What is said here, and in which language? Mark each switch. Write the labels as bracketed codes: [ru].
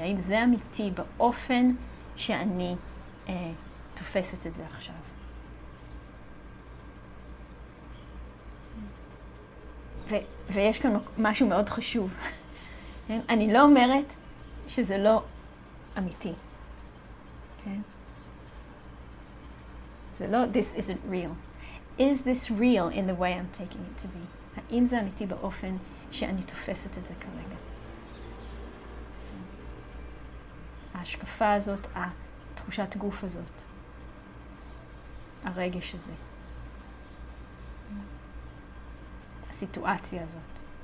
[he] האם זה אמיתי באופן שאני תופסת את זה עכשיו? ויש כאן משהו מאוד חשוב. אני לא אומרת שזה לא אמיתי. זה לא, [en] this isn't real. Is this real in the way I'm taking it to be? [he] האם זה אמיתי באופן שאני תופסת את זה כרגע? ההשקפה הזאת, התחושת גוף הזאת, הרגש הזה, הסיטואציה הזאת.